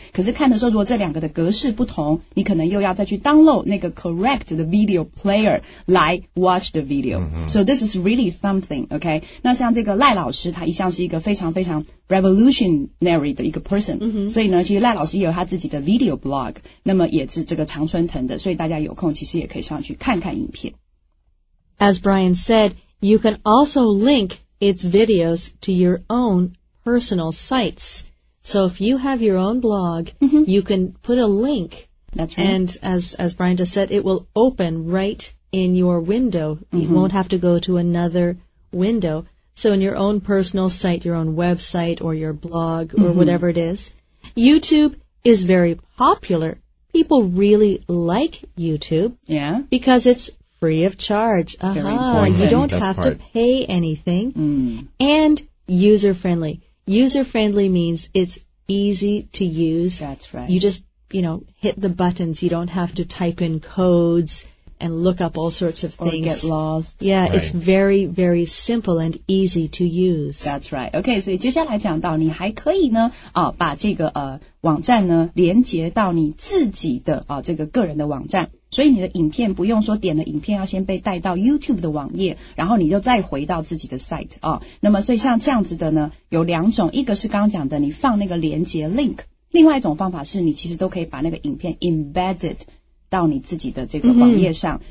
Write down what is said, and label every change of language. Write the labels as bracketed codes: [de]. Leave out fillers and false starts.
[zh] 可是看的时候，如果这两个的格式不同，你可能又要再去 [en] download [zh] 那个 [en] correct [zh] 的 [en] video player [zh] 来 [en] watch the video、 mm-hmm. So this is really something, okay? [zh] 那像这个赖老师，他一向是一个非常非常 revolutionary 的一个 person、 mm-hmm. 所以呢，其实赖老师也有他自己的 video blog， 那么也是这个常春藤的，所以大家有空其实也可以上去看看影片。 [en] As Brian said, you can also link its videos to your own personal sites. So if you have your own blog,、 mm-hmm. you can put a link. That's right. And as Brian just said, it will open right in your window.、 Mm-hmm. You won't have to go to another window. So in your own personal site, your own website or your blog、 mm-hmm. or whatever it is, YouTube is very popular. People really like YouTube. Yeah. Because it's free of charge. Very important. You don't have、 part. To pay anything.、 Mm. And user-friendly. User-friendly means it's easy to use. That's right. You just, you know, hit the buttons. You don't have to type in codes and look up all sorts of things. Or get lost. Yeah,、right. it's very, very simple and easy to use. That's right. [zh] Okay, 所以接下来讲到你还可以呢、把这个、网站呢连接到你自己的、这个个人的网站。所以你的影片不用说点了影片要先被带到 YouTube 的网页，然后你就再回到自己的 site 啊。那么所以像这样子的呢，有两种，一个是刚讲的你放那个连结 link， 另外一种方法是你其实都可以把那个影片 embedded 到你自己的这个网页上。